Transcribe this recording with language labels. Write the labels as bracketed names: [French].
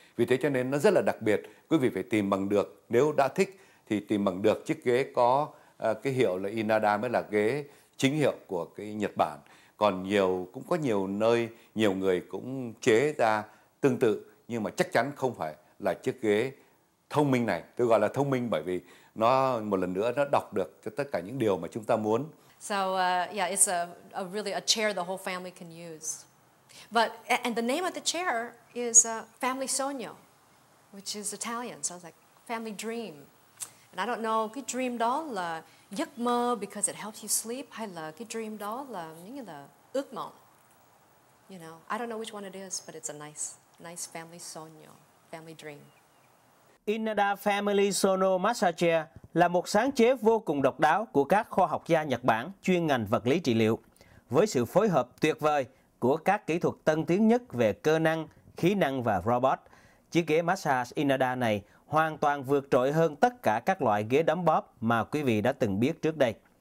[Vietnamese] Vì thế cho nên nó rất là đặc biệt, quý vị phải tìm bằng được, nếu đã thích thì tìm bằng được chiếc ghế có cái hiệu là Inada mới là ghế chính hiệu của cái Nhật Bản. Còn nhiều, cũng có nhiều nơi, nhiều người cũng chế ra tương tự, nhưng mà chắc chắn không phải là chiếc ghế thông minh này. Tôi gọi là thông minh bởi vì nó một lần nữa nó đọc được cho tất cả những điều mà chúng ta muốn. [English] So yeah, it's a really a chair the whole family can use. But and the name of the chair is Family Sogno, which is Italian. So it's like family dream. And I don't know, [Vietnamese] cái dream đó là giấc mơ [English] because it helps you sleep, [Vietnamese] hay là cái dream đó là những cái là ước mộng. [English] You know, I don't know which one it is, but it's a nice family sogno, family dream. [Vietnamese] Inada Family Sono Massager là một sáng chế vô cùng độc đáo của các khoa học gia Nhật Bản chuyên ngành vật lý trị liệu, với sự phối hợp tuyệt vời của các kỹ thuật tân tiến nhất về cơ năng, khí năng và robot. Chiếc ghế massage Inada này hoàn toàn vượt trội hơn tất cả các loại ghế đấm bóp mà quý vị đã từng biết trước đây.